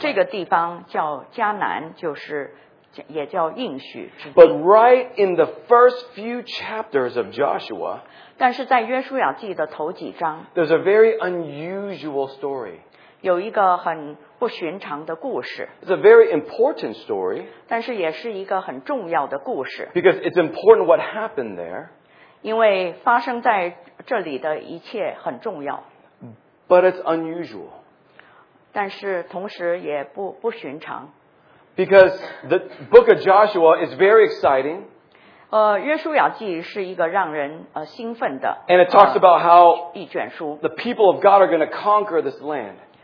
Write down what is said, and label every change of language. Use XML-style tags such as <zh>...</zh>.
<zh>这个地方叫迦南, 就是, 也叫应许之地。</zh> <en>But right in the first few chapters of Joshua,</en> <zh>但是在约书亚记的头几章,</zh> <en>there's a very unusual story.</en> <zh>有一个很不寻常的故事。</zh> <en>It's a very important story.</en> <zh>但是也是一个很重要的故事。</zh> <en>Because it's important what happened there.</en> <zh>因为发生在这里的一切很重要,</zh> <en>but it's unusual.</en> <zh>但是同时也不寻常,</zh> <en>because the book of Joshua is very exciting.</en> <zh>约书亚记是一个让人兴奋的,</zh> <en>and it talks about how</en> <zh>一卷书,</zh> <en>the people of God are going to conquer this land.</en>